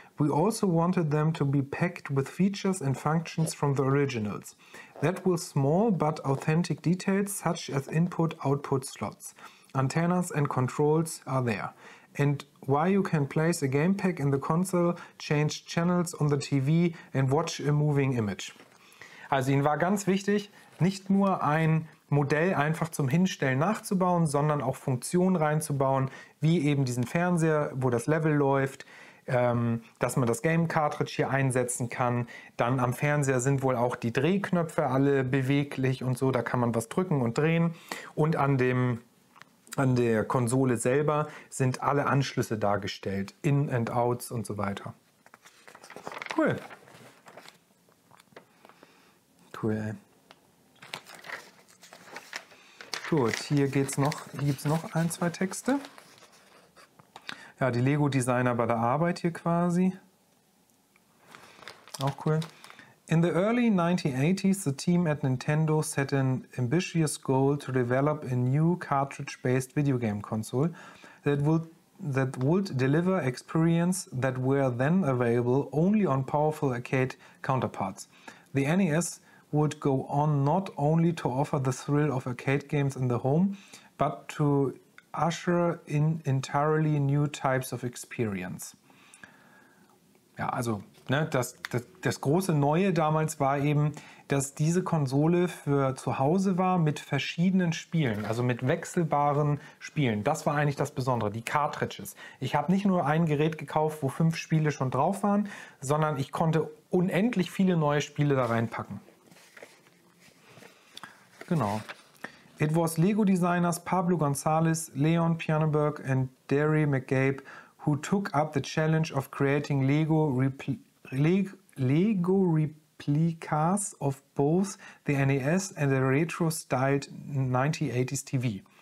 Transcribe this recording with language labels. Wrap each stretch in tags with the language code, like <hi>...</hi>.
<en>We also wanted them to be packed with features and functions from the originals. That will small but authentic details such as input-output slots, antennas and controls are there. And why you can place a game pack in the console, change channels on the TV and watch a moving image.</en> <de>Also ihnen war ganz wichtig, nicht nur ein Modell einfach zum Hinstellen nachzubauen, sondern auch Funktionen reinzubauen, wie eben diesen Fernseher, wo das Level läuft, dass man das Game-Cartridge hier einsetzen kann. Dann am Fernseher sind wohl auch die Drehknöpfe alle beweglich und so, da kann man was drücken und drehen. Und an der Konsole selber sind alle Anschlüsse dargestellt, In- und Outs und so weiter. Cool. Cool, ey. Gut, hier gibt es noch ein, zwei Texte. Ja, die Lego-Designer bei der Arbeit hier quasi. Auch cool.</de> <en>In the early 1980s, the team at Nintendo set an ambitious goal to develop a new cartridge-based video game console that would deliver experience that were then available only on powerful arcade counterparts. The NES would go on not only to offer the thrill of arcade games in the home, but to usher in entirely new types of experience.</en> <de>Ja, also, ne, das große Neue damals war eben, dass diese Konsole für zu Hause war mit verschiedenen Spielen, also mit wechselbaren Spielen. Das war eigentlich das Besondere, die Cartridges. Ich habe nicht nur ein Gerät gekauft, wo 5 Spiele schon drauf waren, sondern ich konnte unendlich viele neue Spiele da reinpacken. Genau.</de> <en>It was Lego Designers Pablo Gonzalez, Leon Pienborg and Derry McGabe who took up the challenge of creating Lego replicas of both the NES and the retro-styled 1980s TV.</en>